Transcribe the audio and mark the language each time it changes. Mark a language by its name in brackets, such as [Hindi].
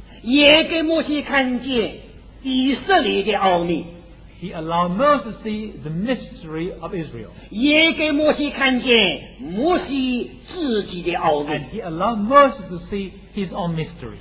[Chinese] 也给摩西看见以色列的奥秘。 [English] He allowed Moses to see the mystery of Israel. [Chinese] 也给摩西看见摩西自己的奥秘。 [English] And he allowed Moses to see his own mystery.